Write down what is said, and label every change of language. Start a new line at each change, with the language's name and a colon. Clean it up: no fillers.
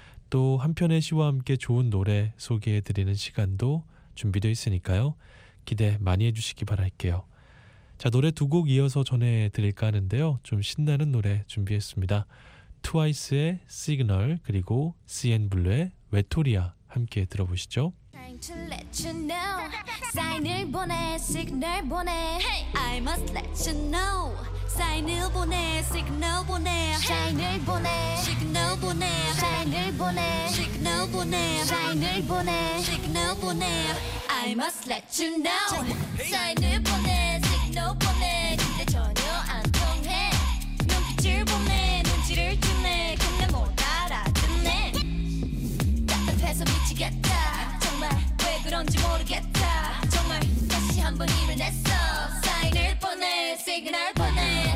Korean: 또 한 편의 시와 함께 좋은 노래 소개해드리는 시간도 준비되어 있으니까요. 기대 많이 해주시기 바랄게요. 자, 노래 두 곡 이어서 전해드릴까 하는데요. 좀 신나는 노래 준비했습니다. 트와이스의 시그널 그리고 CNBLUE의 외톨이야 함께 들어보시죠.
English: To let you know, sign을
Korean: 보내,
English: signal 보내. Hey, I must let you know, sign을
Korean: 보내,
English: signal 보내. Sign을
Korean: 보내,
English: signal 보내. Sign을 보내, signal 보내. Sign을
Korean: 보내,
English: signal 보내. I must let you know, sign을
Korean: 보내,
English: signal 보내.
Korean: 근데 전혀 안 통해. 눈빛을 보내, 눈치를 주네. 근데 못 알아듣네. 답답해서 미치겠다. 왜 그런지 모르겠다. 정말 다시 한번 힘을 냈어. 사인을 보내, 시그널 보내.